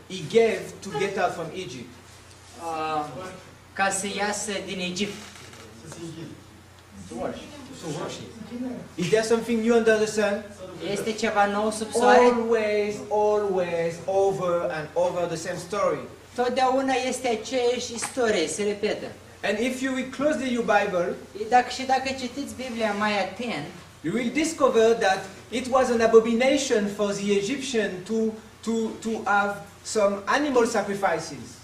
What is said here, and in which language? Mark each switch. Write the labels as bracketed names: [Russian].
[English] He gave to get out from Egypt. [Romanian] Ca să iasă din Egipt. [English] To wash. Is there something new under the sun? [Romanian] Este ceva nou sub soare? [English] Always, over and over the same story. [Romanian] Totdeauna este aceeași istorie, se repetă. [English] And if you read closely your Bible, [Romanian] dacă citiți Biblia mai atent, [English] you will discover that it was an abomination for the Egyptian to have some animal sacrifices.